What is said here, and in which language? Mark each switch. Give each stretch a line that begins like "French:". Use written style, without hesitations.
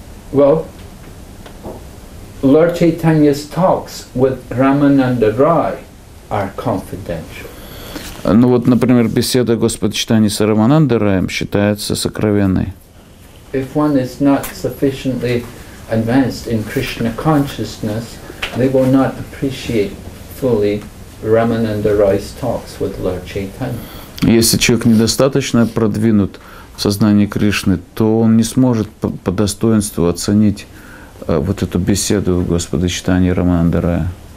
English: Well, Lord Chaitanya's talks with Ramananda Roy are confidential.
Russian: Ну вот, например, беседа Господа Чайтаньи с Рамананда Роем считается сокровенной.
English: If one is not sufficiently advanced in Krishna consciousness, they will not appreciate fully Ramananda Roy's talks with Lord Chaitanya.
Russian: Если человек недостаточно продвинут в сознании Кришны, то он не сможет по достоинству оценить вот эту беседу Господа Чайтаньи и Рамананды Рая.